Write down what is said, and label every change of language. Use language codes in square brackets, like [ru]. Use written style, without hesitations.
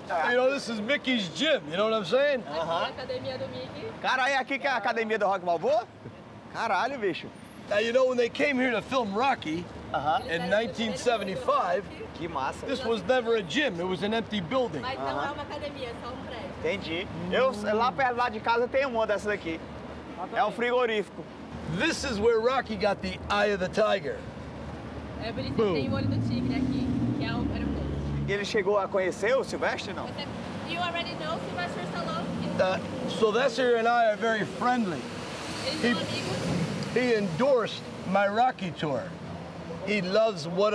[en] You know, this is Mickey's gym, you know what I'm saying? [pt] Uh-huh. Academia do Mickey. Cara, é aqui que é a academia do Rock Balboa? Caralho, bicho. [en] Now, you know, when they came here to film Rocky, uh-huh, in 1975, [pt] que massa. [en] This was never a gym, it was an empty building. [pt] Mas não é uma academia, é só um prédio. Entendi. Lá perto lá de casa tem uma dessas aqui. É um frigorífico. [en] This is where Rocky got the eye of the tiger. [pt] É, por isso que tem o olho do tigre aqui, que é o aeroporto. E ele chegou a conhecer o Sylvester, não? [en] You already know Sylvester Stallone? Sylvester and I are very friendly. [pt] Eles são amigos? [en] He endorsed my Rocky tour. He loves what